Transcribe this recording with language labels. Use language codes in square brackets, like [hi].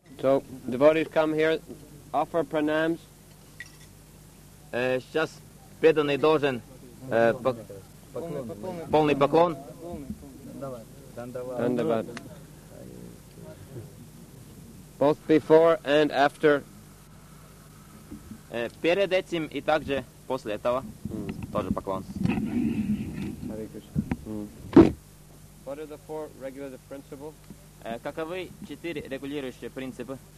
[en] So, devotees come here, offer pranams. [ru] Сейчас преданный должен полный поклон. Дандават. [en] Both before and after. [ru] Перед этим и также после этого тоже поклон. [en] Hare Krishna. What are the four regulative principles? [ru] Каковы четыре регулирующие принципы?